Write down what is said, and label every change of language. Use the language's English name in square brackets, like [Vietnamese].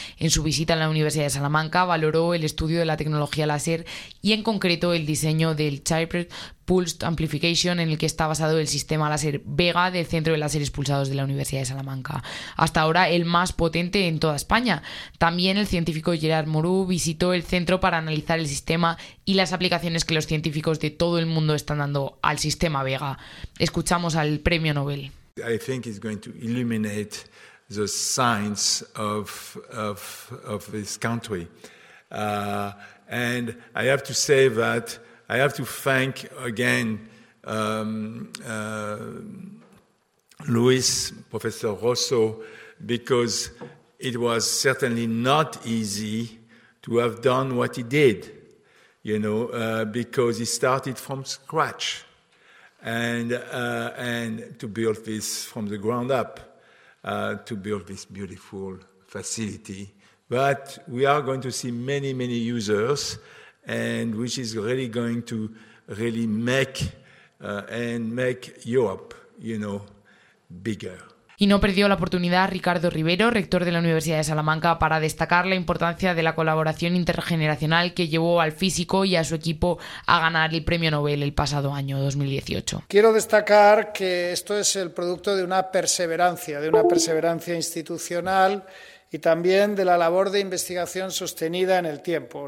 [Spanish] En su visita a la Universidad de Salamanca valoró el estudio de la tecnología láser y en concreto el diseño del Chirped Pulsed Amplification, en el que está basado el sistema láser Vega del Centro de Láser Expulsados de la Universidad de Salamanca, hasta ahora el más potente en toda España. También el científico Gérard Moreau visitó el centro para analizar el sistema y las aplicaciones que los científicos de todo el mundo están dando al sistema Vega. Escuchamos al premio Nobel. [English] I think it's going to illuminate the science of this country. And I have to say that I have to thank again Luis, Professor Rosso, because it was certainly not easy to have done what he did, you know, because he started from scratch and to build this from the ground up, to build this beautiful facility. But we are going to see many, many users, and which is really going to really make Europe, you know, bigger. [Spanish] Y no perdió la oportunidad Ricardo Rivero, rector de la Universidad de Salamanca, para destacar la importancia de la colaboración intergeneracional que llevó al físico y a su equipo a ganar el premio Nobel el pasado año 2018. Quiero destacar que esto es el producto de una perseverancia institucional y también de la labor de investigación sostenida en el tiempo.